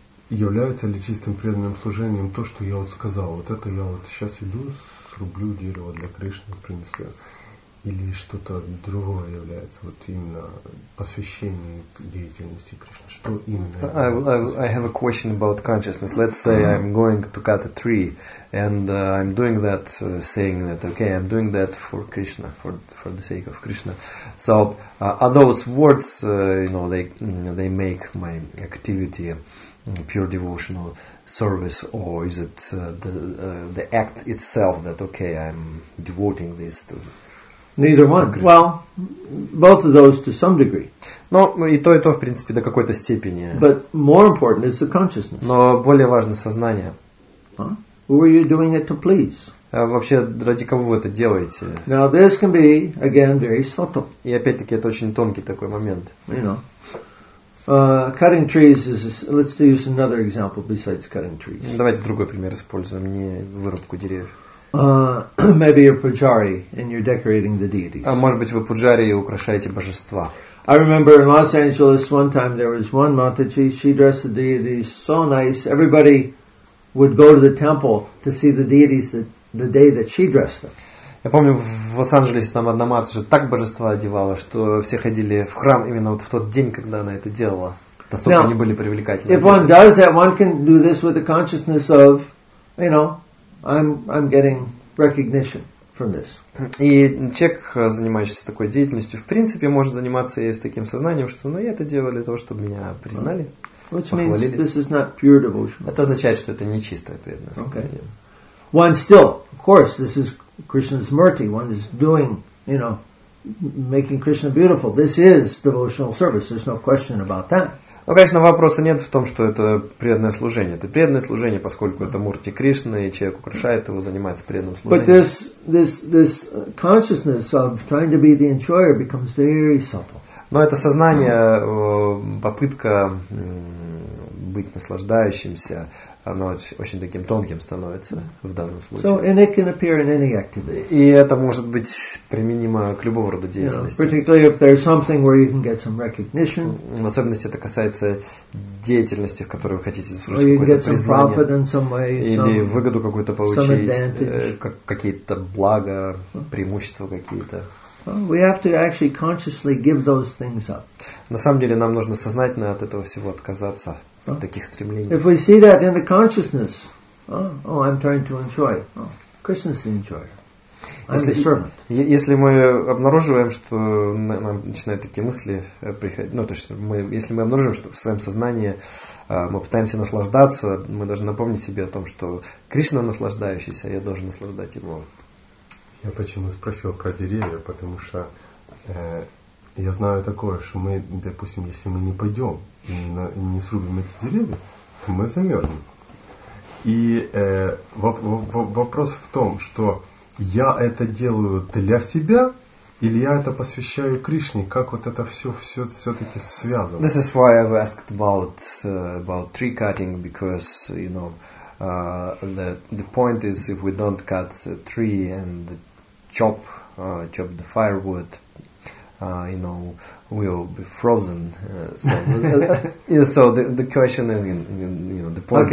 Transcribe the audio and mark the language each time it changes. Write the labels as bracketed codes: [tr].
[ru] Является ли чистым преданным служением то, что я вот сказал? Вот это я вот сейчас иду, срублю дерево для Кришны, принесу. Или что-то другое является вот именно посвящение деятельности Кришны? Что именно? [en] I have a question about consciousness. Let's say I'm going to cut a tree and I'm doing that saying that, okay, I'm doing that for Krishna, for the sake of Krishna. So are those words, they make my activity pure devotional service, or is it the act itself that, okay, I'm devoting this to... Neither one. Well, both of those to some degree. [ru] Но и то, в принципе, до какой-то степени. [en] But more important is the consciousness. [ru] Но более важно сознание. [en] Who are you doing it to please? [ru] вообще ради кого вы это делаете? [en] Now this can be again very subtle. [ru] И опять-таки это очень тонкий такой момент. [en] You know, cutting trees is. Let's use another example besides cutting trees. [ru] Давайте другой пример используем, не вырубку деревьев. [en] Maybe you're pujari and you're decorating the deities. [ru] А может быть вы пуджари и украшаете божества. [en] I remember in Los Angeles one time there was one Mataji. She dressed the deities so nice. Everybody would go to the temple to see the deities the day that she dressed them. [ru] Я помню, в Лос-Анджелесе там одна Мата так божества одевала, что все ходили в храм именно вот в тот день, когда она это делала. Настолько они были привлекательны. [en] If one does that, one can do this with the consciousness of, you know, I'm getting recognition. [ru] И человек, занимающийся такой деятельностью, в принципе, может заниматься и с таким сознанием, что ну, я это делаю для того, чтобы меня признали, похвалили. Это означает, что это не чистая преданность. [en] Okay. One still, of course, this is Krishna's murti. One is doing, you know, making Krishna beautiful. This is devotional service. There's no question about that. [ru] Ну, конечно, вопроса нет в том, что это преданное служение. Это преданное служение, поскольку это мурти Кришны, и человек украшает его, занимается преданным служением. [en] But this consciousness of trying to be the enjoyer becomes very subtle. [ru] Но это сознание, попытка быть наслаждающимся, оно очень таким тонким становится в данном случае. [en] So, and it can appear in any activity. [ru] И это может быть применимо к любого рода деятельности. [en] You know, particularly if there's something where you can get some recognition. [ru] В особенности это касается деятельности, в которой вы хотите заслужить какое-то признание. Или выгоду какую-то получить, какие-то блага, преимущества какие-то. [en] We have to actually consciously give those things up. [ru] На самом деле нам нужно сознательно от этого всего отказаться, от таких стремлений. [en] If we see that in the consciousness, I'm trying to enjoy. Oh, Krishna's the enjoyer. I'm the servant. [ru] Если мы обнаруживаем, что нам начинают такие мысли приходить, ну то есть мы, если мы обнаружим, что в своем сознании мы пытаемся наслаждаться, мы должны напомнить себе о том, что Кришна наслаждающийся, а я должен наслаждать его. Я почему спросил про деревья, потому что я знаю такое, что мы, допустим, если мы не пойдем и не срубим эти деревья, то мы замерзнем. И вопрос в том, что я это делаю для себя или я это посвящаю Кришне, как вот это все-таки связано? [en] This is why I've asked about tree cutting, because, you know, the point is if we don't cut a tree and chop the firewood, you know, we'll be frozen. So the question is, you know, the point